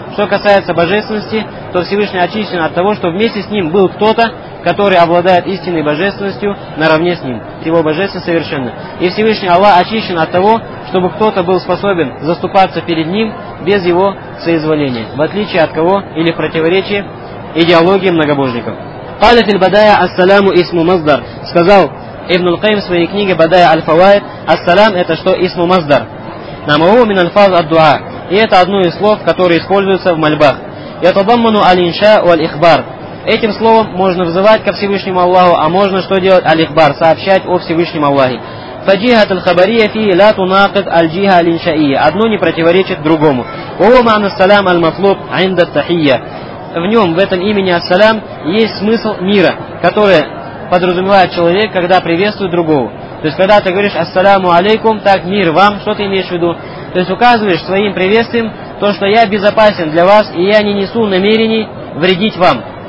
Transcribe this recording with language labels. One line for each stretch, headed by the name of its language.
Russian: Что касается божественности, то Всевышний очищен от того, что вместе с ним был кто-то, который обладает истинной божественностью наравне с ним. Его божественность совершенна. И Всевышний Аллах очищен от того, чтобы кто-то был способен заступаться перед ним без его соизволения, в отличие от кого или в противоречии идеологии многобожников.
Arabic: قال في البداية السلام اسم مصدر.
Russian: Сказал Ибн аль-Кайм в своей книге Бадая аль-Фавайд, ас-салам — это что? Исму маздар.
Arabic: Намаху мин аль-фаз ад-дуа.
Russian: И это одно из слов, которые используются в мольбах.
Arabic: Ятадамману аль-инша валь-ихбар.
Russian: Этим словом можно взывать ко Всевышнему Аллаху, а можно что делать? Аль-ихбар — сообщать о Всевышнем Аллахе.
Arabic: فجهه الخبريه فيه لا تناقض الجهه الانشائيه.
Russian: Одно не противоречит другому.
Arabic: وهو معنى السلام المطلوب عند التحيه.
Russian: В нем, в этом имени ас-салям, есть смысл мира, который подразумевает человек, когда приветствует другого. То есть когда ты говоришь ассаляму алейкум, так мир вам, что ты имеешь в виду? То есть указываешь своим приветствием то, что я безопасен для вас и я не несу намерений вредить вам.